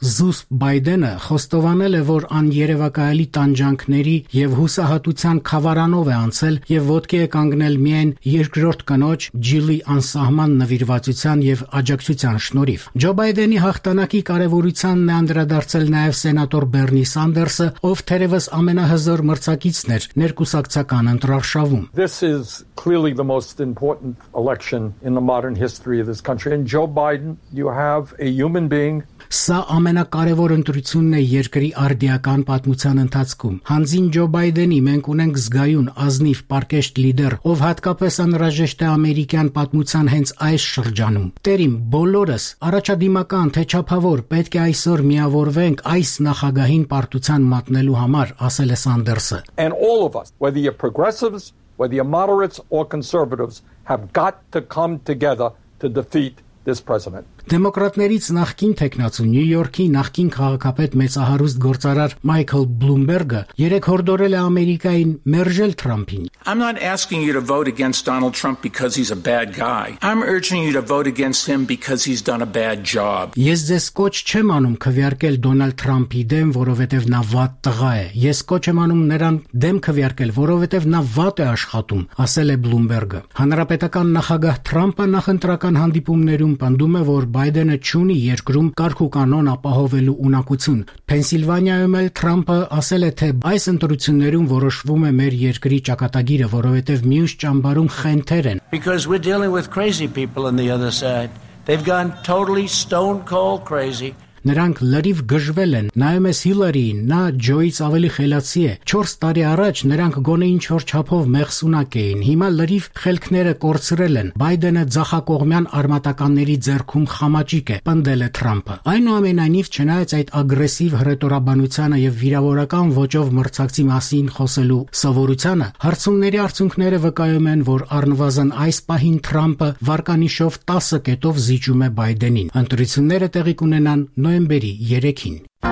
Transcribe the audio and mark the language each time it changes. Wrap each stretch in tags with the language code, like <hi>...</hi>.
<hy>Զուս Բայդենը խոստովանել է, որ աներևակայական այլի տանջանքների եւ հուսահատության խավարանով է անցել եւ ոտքի է կանգնել միայն երկրորդ կնոջ Ջիլի անսահման նվիրվածության եւ աջակցության շնորհիվ։ Ջո Բայդենի հաղթանակի կարեւորությանն է անդրադարձել նաեւ սենատոր Բերնի Սանդերսը, ով թերևս ամենահզոր մրցակիցն էր ներկուսակցական ընտրարշավում։</hy> <en>This is clearly the most important election in the modern history of this country, and Joe Biden, you have a human being.</en> <hy>Սա ամենակարևոր ընտրությունն է երկրի արդիական պատմության ընթացքում։ Հանձին Ջո Բայդենի մենք ունենք զգայուն, ազնիվ, պարկեշտ լիդեր, ով հատկապես անհրաժեշտ է ամերիկյան պատմության հենց այս շրջանում։ Տերիմ, բոլորս, առաջադիմական թե չափավոր, պետք է այսօր միավորվենք այս նախագահին պարտության մատնելու համար, ասել է Սանդերսը։</hy> <en>And all of us, whether you're progressives, whether you're moderates or conservatives, have got to come together to defeat this president.</en> <hy>Դեմոկրատներից նախկին թեկնածու Նյու Յորքի նախկին քաղաքապետ մեծահարուստ գործարար Մայքլ Բլումբերգը երեկ հորդորել է Ամերիկային մերժել Թրամփին։</hy> <en>I'm not asking you to vote against Donald Trump because he's a bad guy. I'm urging you to vote against him because he's done a bad job.</en> <hy>Ես ձեզ կոչ չեմ անում քվեարկել Դոնալդ Թրամփի դեմ, որովհետև նա վատ տղա է։ Ես կոչ եմ անում նրան դեմ քվեարկել, որովհետև նա վատ է աշխատում, ասել է Բլումբերգը։ Հանրապետական նախագահ Թրամփը նախընտրական հանդիպումներում պնդում է, որ Բայդենը չունի երկրում կարգ ու կանոն ապահովելու ունակություն։ Պենսիլվանիայում էլ Թրամփը ասել է, թե այս ընտրություններում որոշվում է մեր երկրի ճակատագիրը, որովհետև մյուս ճամբարում խենթեր են։</hy> <en>Because we're dealing with crazy people on the other side. They've gone totally stone cold crazy.</en> <hy>Նրանք լրիվ գժվել են։ Նայում ես Հիլարին, նա Ջոյից ավելի խելացի է։ 4 տարի առաջ նրանք գոնե ինչ-որ չափով մեղսունակ էին, հիմա լրիվ խելքները կորցրել են։ Բայդենը ձախակողմյան արմատականների ձեռքում խամաճիկ է, պնդել է Թրամփը։ Այնուամենայնիվ, չնայած այդ ագրեսիվ հրետորաբանությանը եւ վիրավորական ոճով մրցակցի մասին խոսելու սովորությանը, հարցումների արդյունքները վկայում են, որ առնվազն այս պահին Թրամփը վարկանիշով 10 կետով զիջում է Բայդենին։ Ընտրությունները տեղի կունենան նոյեմբերի 3-ին։</hy>